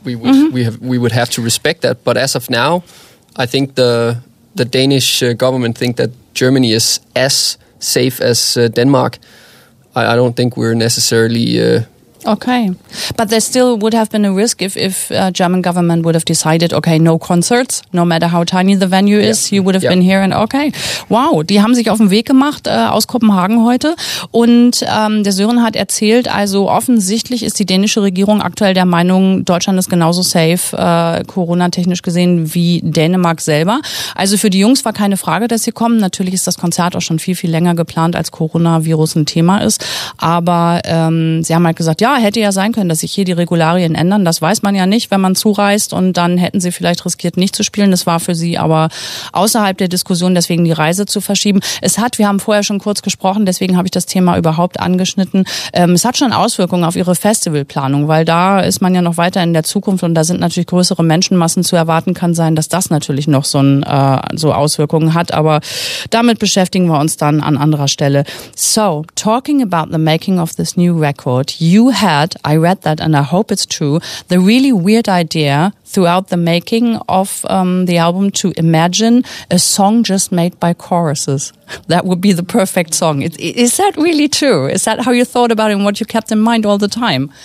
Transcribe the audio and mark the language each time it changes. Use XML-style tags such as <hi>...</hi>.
<en>We would have to respect that. But as of now, I think the Danish government think that Germany is as safe as Denmark. I don't think we're necessarily. Okay, but there still would have been a risk if German government would have decided, okay, no concerts, no matter how tiny the venue is, yeah. you would have yeah. been here and okay.</en> <de>Wow, die haben sich auf den Weg gemacht aus Kopenhagen heute und der Sören hat erzählt, also offensichtlich ist die dänische Regierung aktuell der Meinung, Deutschland ist genauso safe, Corona-technisch gesehen, wie Dänemark selber. Also für die Jungs war keine Frage, dass sie kommen. Natürlich ist das Konzert auch schon viel, viel länger geplant, als Coronavirus ein Thema ist. Aber sie haben halt gesagt, ja, hätte ja sein können, dass sich hier die Regularien ändern. Das weiß man ja nicht, wenn man zureist. Und dann hätten sie vielleicht riskiert, nicht zu spielen. Das war für sie aber außerhalb der Diskussion, deswegen die Reise zu verschieben. Wir haben vorher schon kurz gesprochen, deswegen habe ich das Thema überhaupt angeschnitten. Es hat schon Auswirkungen auf ihre Festivalplanung, weil da ist man ja noch weiter in der Zukunft und da sind natürlich größere Menschenmassen zu erwarten. Kann sein, dass das natürlich noch so Auswirkungen hat. Aber damit beschäftigen wir uns dann an anderer Stelle.</de> <en>So, talking about the making of this new record, I read that and I hope it's true, the really weird idea throughout the making of the album to imagine a song just made by choruses. That would be the perfect song. Is that really true? Is that how you thought about it and what you kept in mind all the time?</en>